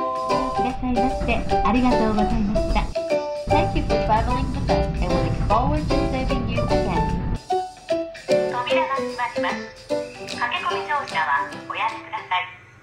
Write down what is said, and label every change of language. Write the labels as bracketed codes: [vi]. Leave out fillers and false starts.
[ja] ありがとうございました。 [en] Thank you for traveling with us and we look forward to serving you again. [ja] 扉が閉まります。駆け込み乗車はおやめください。